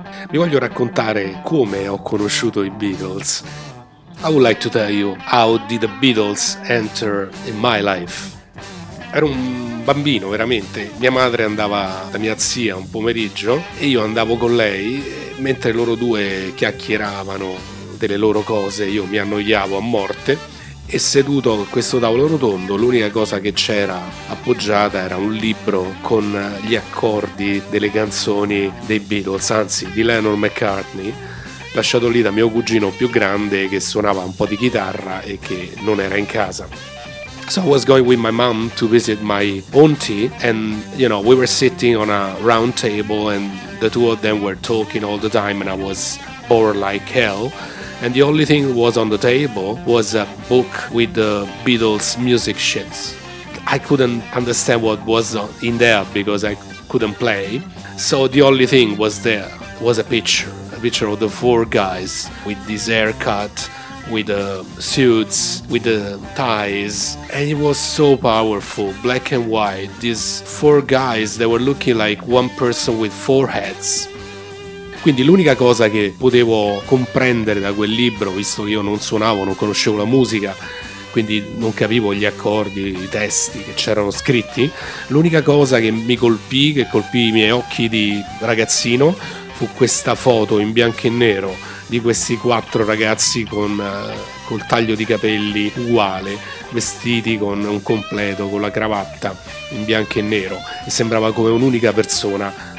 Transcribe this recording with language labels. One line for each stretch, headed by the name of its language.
Italian: Vi voglio raccontare come ho conosciuto i Beatles.
English: I would like to tell you how did the Beatles enter in my life.
Italian: Ero un bambino, veramente. Mia madre andava da mia zia un pomeriggio e io andavo con lei, mentre loro due chiacchieravano delle loro cose, io mi annoiavo a morte. E seduto a questo tavolo rotondo, l'unica cosa che c'era appoggiata era un libro con gli accordi delle canzoni dei Beatles, anzi di Lennon McCartney, lasciato lì da mio cugino più grande che suonava un po' di chitarra e che non era in casa.
English: So I was going with my mom to visit my auntie, and you know, we were sitting on a round table and the two of them were talking all the time and I was bored like hell. And the only thing that was on the table was a book with the Beatles music sheets. I couldn't understand what was in there because I couldn't play. So the only thing was there was a picture of the four guys with this haircut, with the suits, with the ties. And it was so powerful, black and white. These four guys, they were looking like one person with four heads.
Italian: Quindi l'unica cosa che potevo comprendere da quel libro, visto che io non suonavo, non conoscevo la musica, quindi non capivo gli accordi, i testi che c'erano scritti, l'unica cosa che mi colpì, che colpì i miei occhi di ragazzino, fu questa foto in bianco e nero di questi quattro ragazzi con col taglio di capelli uguale, vestiti con un completo, con la cravatta in bianco e nero, e sembrava come un'unica persona